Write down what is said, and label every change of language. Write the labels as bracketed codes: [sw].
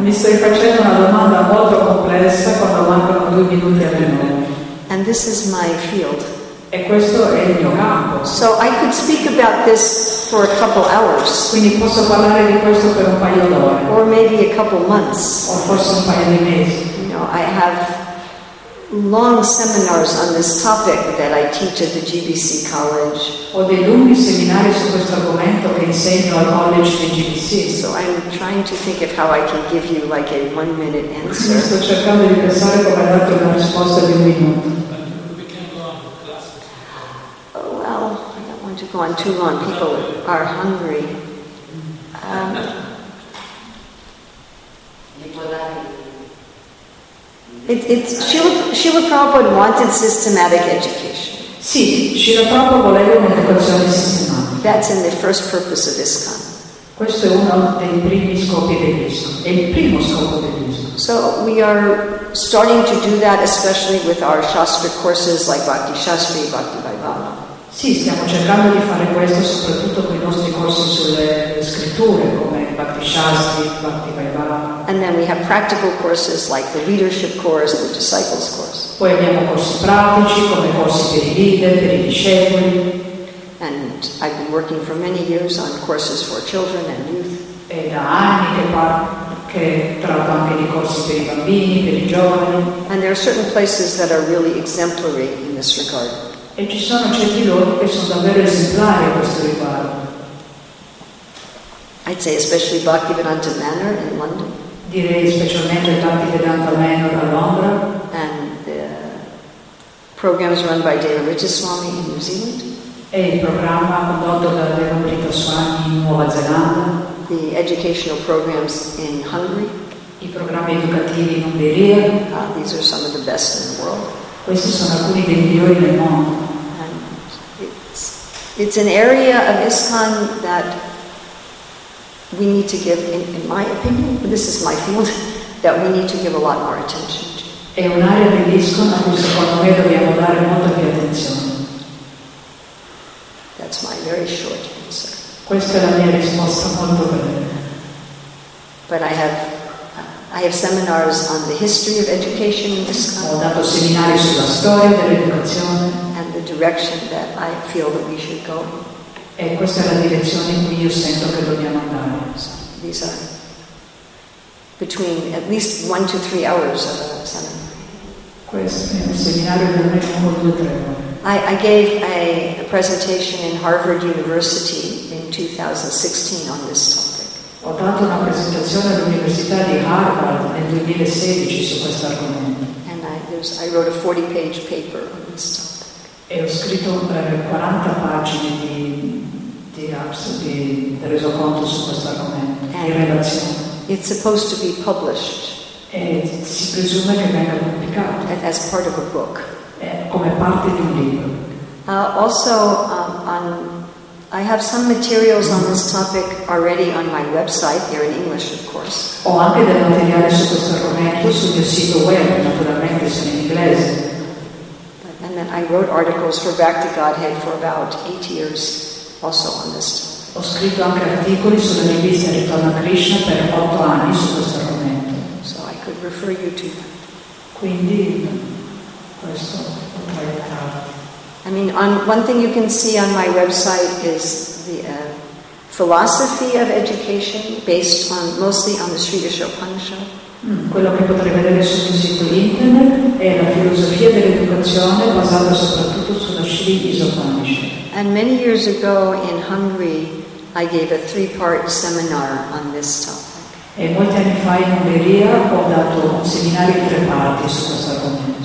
[it] Mi stai facendo una domanda molto complessa quando mancano 2 minuti alle 9. [en] And this is my field. [it] E questo è il mio campo. [en] So I could speak about this for a couple hours. [it] Quindi posso parlare di questo per un paio d'ore. [en] Or maybe a couple months. [it] O forse un paio di mesi. [en] You know, I have long seminars on this topic that I teach at the GBC College. [it] Ho dei lunghi seminari su questo argomento che insegno al college di GBC. [en] So I'm trying to think of how I can give you like a 1 minute answer. [it] Sto cercando di pensare come darti una risposta di un minuto. [en] Oh well, I don't want to go on too long. People are hungry. Srila Prabhupada wanted systematic education. [it] Sì, Srila Prabhupada voleva un'educazione sistematica. [en] That's in the first purpose of ISKCON. [it] Questo è uno dei primi scopi dell'ISKCON. È il primo scopo dell'ISKCON. [en] So we are starting to do that, especially with our Shastra courses like Bhakti Shastri, Bhakti Vaibhava. [it] Sì, stiamo cercando di fare questo soprattutto con i nostri corsi sulle scritture come Bhakti Shastri, Bhakti Vaibhava. [en] And then we have practical courses like the leadership course, the disciples course. [it] Poi abbiamo corsi pratici come corsi per i leader, per i discepoli. [en] And I've been working for many years on courses for children and youth. [it] E da anni che tratto anche di corsi per i bambini, per i giovani. [en] And there are certain places that are really exemplary in this regard. [it] E ci sono certi luoghi che sono davvero esemplari a questo riguardo. [en] I'd say especially Bhaktivedanta Manor in London. [it] Direi specialmente Bhaktivedanta Manor a Londra. [en] And the programs run by Devamritaswamy in New Zealand. [it] E il programma condotto da Devamritaswamy in Nuova Zelanda. [en] The educational programs in Hungary. [it] I programmi educativi in Ungheria. [en] These are some of the best in the world. [it] Questi sono alcuni dei migliori del mondo. [en] And it's an area of ISKCON that we need to give, in my opinion, but this is my field, that we need to give a lot more attention to. [it] È un'area dell'ISKCON a cui secondo me dobbiamo dare molta più attenzione. [en] That's my very short answer. [it] Questa è la mia risposta molto breve. [en] But I have seminars on the history of education in ISKCON. [it] Ho dato seminari sulla storia dell'educazione. [en] And the direction that I feel that we should go. [it] E questa è la direzione in cui io sento che dobbiamo andare. [en] So, these are between at least 1 to 3 hours of a seminar. [it] Questo è un seminario di almeno 2 o 3 ore. [en] I gave a presentation in Harvard University in 2016 on this topic. [it] Ho dato una presentazione all'Università di Harvard nel 2016 su questo argomento. [en] And I wrote a 40-page paper on this topic. [it] E ho scritto per 40 pagine di reso conto su questo argomento in relazione. [en] It's supposed to be published. [it] E si presume che venga pubblicato. [en] As part of a book. [it] Come parte di un libro. [en] I have some materials on this topic already on my website. They're in English, of course. [it] Ho anche del materiale su questo argomento sul mio sito web, naturalmente sono in inglese. [en] And then I wrote articles for Back to Godhead for about 8 years. Also on this. [it] Ho scritto anche articoli sulla rivista Ritorno a Krishna per 8 anni su questo argomento. [en] So I could refer you to that. [it] Quindi questo potrei [en] I mean, on one thing you can see on my website is the philosophy of education based on mostly on the Sri Yasho Upanishad. [it] Quello che potrei vedere sul mio sito internet è la filosofia dell'educazione basata soprattutto sulla Sri Yasho Upanishad. [en] And many years ago in Hungary, I gave a 3-part seminar on this topic. [it] E molti anni fa in Ungheria ho dato un seminario in 3 parti su questo argomento.